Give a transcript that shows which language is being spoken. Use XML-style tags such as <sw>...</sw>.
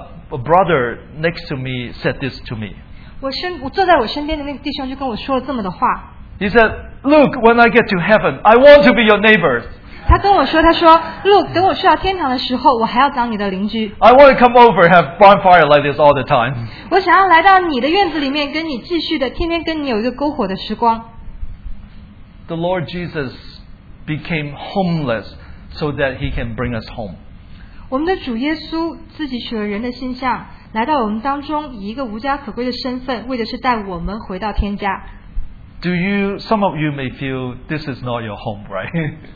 <en>a brother next to me said this to me.</en> <zh>我坐在我身边的那个弟兄就跟我说了这么的话。</zh> <en>He said, "Look, when I get to heaven, I want to be your neighbor."</en> <zh>他跟我说, "Look, 等我去到天堂的时候, 我还要当你的邻居。</zh> <en>I want to come over and have bonfire like this all the time.</en> <zh>我想要来到你的院子里面, 跟你继续的, 天天跟你有一个篝火的时光。</zh> <en>The Lord Jesus became homeless so that he can bring us home.</en> <zh>我们的主耶稣自己取了人的形象, 来到我们当中, 以一个无家可归的身份, 为的是带我们回到天家。</zh> <en>Some of you may feel this is not your home, right?</en>